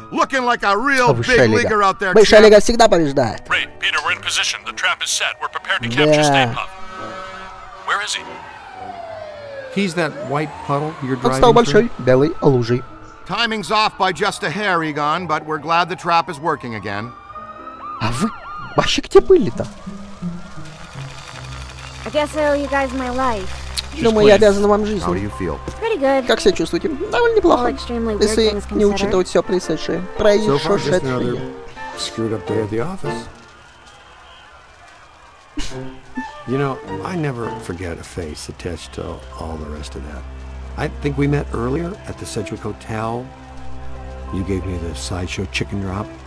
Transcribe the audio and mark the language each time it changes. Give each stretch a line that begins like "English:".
English: Looking like a real big leaguer out there.
Russian: Большая лига всегда побеждает.
English: Great, Peter, we're in position. The trap is set. We're prepared to capture Stay Puft. Where is he? He's that white puddle you're driving.
Russian: Он стал большой белой лужей.
English: Timing's off by just a hair, Egon, but we're glad the trap is working again.
Russian: А вы вообще где были-то?
English: I guess I owe you guys my life.
Russian: Думаю, я обязан вам жизнь.
English: How do you feel? Pretty good.
Russian: Как себя чувствуете? Довольно неплохо.
English: Well,
Russian: если не учитывать все происшедшее. Происшедшее.
English: So far, just another screwed up day at the office. You know, I never forget a face attached to all the rest of that. I think we met earlier at the Sedgwick Hotel. You gave me the sideshow chicken drop.